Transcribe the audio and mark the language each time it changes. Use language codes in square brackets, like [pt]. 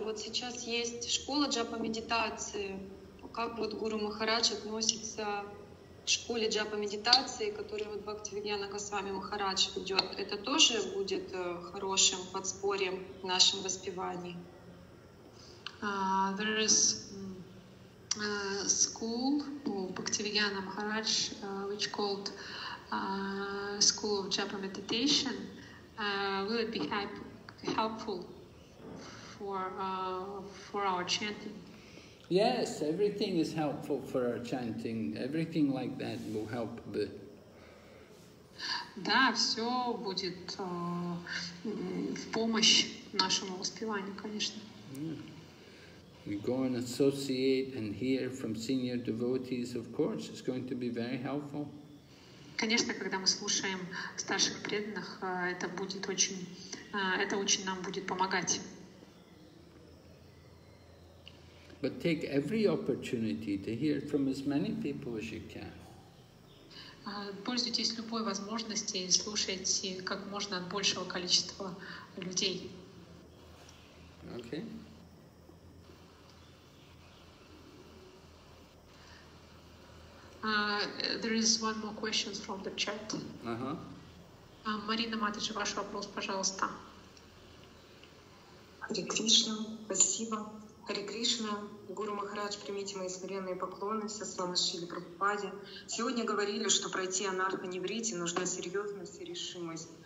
[ru] Вот сейчас есть школа джапа-медитации. Как вот Гуру Махарадж относится к школе джапа-медитации, которую вот Бхактивиньяна Госвами Махарадж ведет? Это тоже будет хорошим подспорьем в нашем воспевании? [en] There is school of Bhaktivinoda Maharaj, which called school of japa meditation. Will it be helpful for our chanting. Yes, everything is helpful for our chanting. Everything like that will help the. [ru] Да, все будет в помощь нашему воспеванию, конечно. [en] We go and associate and hear from senior devotees, of course, it's going to be very helpful. [ru] Конечно, когда мы слушаем старших преданных, это будет очень, это очень нам будет помогать. [en] But take every opportunity to hear from as many people as you can. [ru] Пользуйтесь любой возможностью и слушайте как можно большего количества людей. [en] Okay. There is one more question from the chat. [ru] Марина Матыч, ваш вопрос, пожалуйста. Хари Кришна, спасибо. Хари Кришна, Гуру Махарадж, примите мои смиренные поклоны, со славы Шили Прабхупаде. Сегодня говорили, что пройти анартха-ниврити нужна серьезность и решимость.